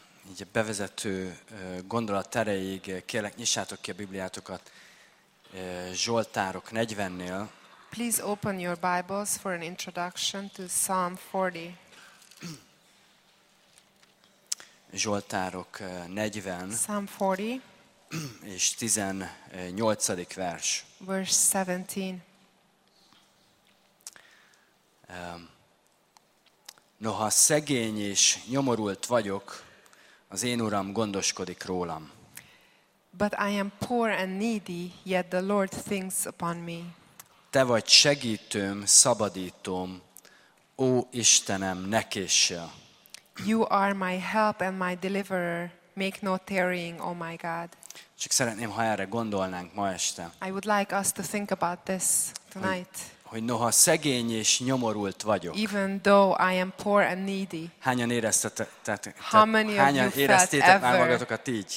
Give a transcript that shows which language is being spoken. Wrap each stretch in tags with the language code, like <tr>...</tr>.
<hu>Így a bevezető gondolat erejéig kérlek, nyissátok ki a Bibliátokat Zsoltárok 40-nél.</hu> <en>Please open your Bibles for an introduction to Psalm 40.</en> <hu>Zsoltárok 40.</hu> <en>Psalm 40.</en> <hu>És 18. vers.</hu> <en>Verse 17.</en> <hu>Noha szegény és nyomorult vagyok, az én Uram gondoskodik rólam.</hu> <en>But I am poor and needy, yet the Lord thinks upon me.</en> <hu>Te vagy segítőm, szabadítom, ó Istenem, ne késsel.</hu> <en>You are my help and my deliverer, make no tarrying, O my God.</en> <hu>Csak szeretném, ha erre gondolnánk ma este.</hu> <en>I would like us to think about this tonight.</en> <hu>Hogy noha szegény és nyomorult vagyok.</hu> <en>Even though I am poor and needy.</en> <hu>Hányan éreztétek már magatokat így?</hu>